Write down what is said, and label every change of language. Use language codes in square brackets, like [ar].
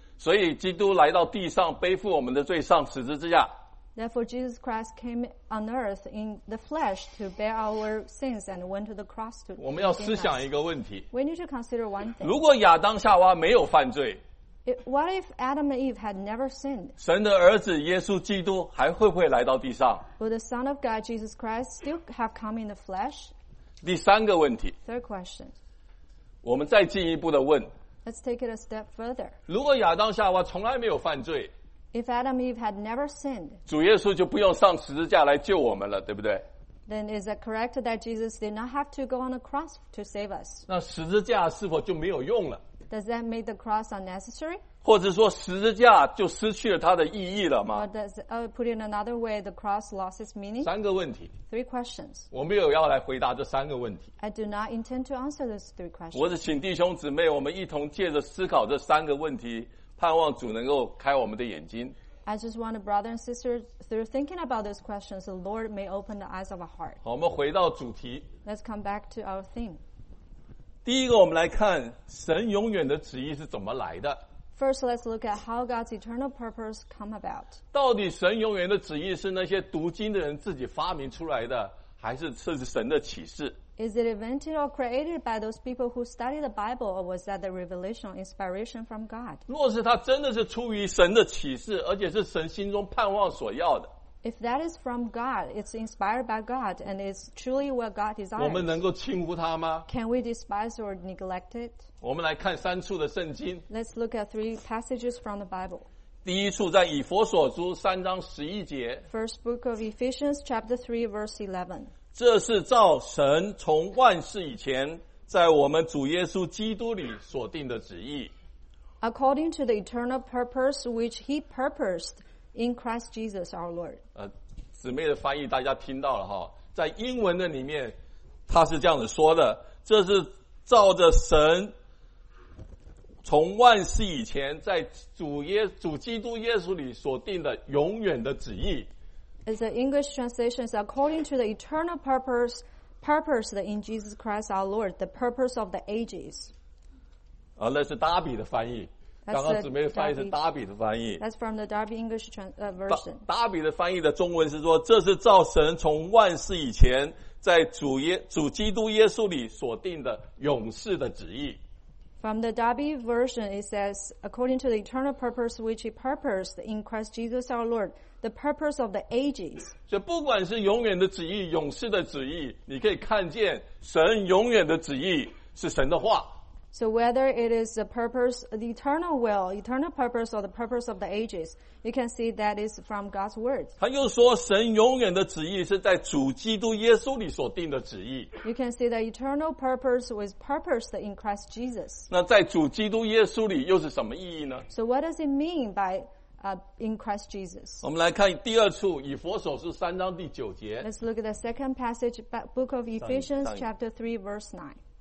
[zh] 所以基督来到地上，背负我们的罪，上十字架。 [en] Therefore, Jesus Christ came on earth in the flesh to bear our sins and went to the cross to. [zh] 我们要思想一个问题。 [en] We need to consider one thing. [zh] 如果亚当夏娃没有犯罪 [en] ，What if Adam and Eve had never sinned? [zh] 神的儿子耶稣基督还会不会来到地上 [en] ？Would the Son of God Jesus Christ still have come in the flesh? [zh] 第三个问题。 [en] Third question. [zh] 我们再进一步的问。 [en] Let's take it a step further. [zh] 如果亚当夏娃从来没有犯罪。 [en] If Adam and Eve had never sinned, [zh] 主耶稣就不用上十字架来救我们了，对不对？ [en] Then is it correct that Jesus did not have to go on the cross to save us? [zh] 那十字架是否就没有用了？ [en] Does that make the cross unnecessary? [zh] 或者说十字架就失去了它的意义了吗？ [en] Or does, put in another way, the cross lost its meaning? [zh] 三个问题。 [en] Three questions. [zh] 我没有要来回答这三个问题。 [en] I do not intend to answer those three questions. [zh] 我是请弟兄姊妹，我们一同借着思考这三个问题。盼望主能够开我们的眼睛。 [en] I just want a brother and sister through thinking about those questions, the Lord may open the eyes of our heart. [zh] 好，我们回到主题。 [en] Let's come back to our theme. [zh] 第一个，我们来看神永远的旨意是怎么来的。 [en] First, let's look at how God's eternal purpose come about. [zh] 到底神永远的旨意是那些读经的人自己发明出来的，还是是神的启示？ [en] Is it invented or created by those people who study the Bible, or was that the revelation or inspiration from God? [zh] 若是它真的是出于神的启示，而且是神心中盼望所要的。 [en] If that is from God, it's inspired by God, and it's truly what God desires. [zh] 我们能够轻忽它吗？ [en] Can we despise or neglect it? [zh] 我们来看三处的圣经。 [en] Let's look at three passages from the Bible. [zh] 第一处在以弗所书三章十一节。 [en] First book of Ephesians, chapter 3, verse 11. [zh] 这是照神从万事以前在我们主耶稣基督里所定的旨意。 [en] According to the eternal purpose which he purposed in Christ Jesus our Lord. [zh] 姊妹的翻译大家听到了哈，在英文的里面他是这样子说的，这是照着神从万事以前在主基督耶稣里所定的永远的旨意。 [en] It's an English translation. It's according to the eternal purpose in Jesus Christ our Lord, the purpose of the ages. [zh] 那是 Darby 的翻译。刚刚姊妹翻译是 Darby 的翻译。 [en] That's from the Darby English version. [zh] Darby 的翻译的中文是说，这是照神从万世以前在主基督耶稣里所定的永世的旨意。 [en] From the Darby version, it says, according to the eternal purpose which he purposed in Christ Jesus our Lord,The purpose of the ages. [zh] 所以不管是永远的旨意，永世的旨意，你可以看见神永远的旨意是神的话。 [en] So whether it is the purpose, the eternal will, eternal purpose, or the purpose of the ages, you can see that is from God's word. [zh] 他又说，神永远的旨意是在主基督耶稣里所定的旨意。 [en] You can see the eternal purpose was purposed in Christ Jesus. [zh] 那在主基督耶稣里又是什么意义呢 [en] ？So what does it mean by in Christ Jesus. [zh] 我们来看第二处以弗所书三章第九节。 [en] Let's look at the second passage, book of Ephesians, chapter 3, verse 9.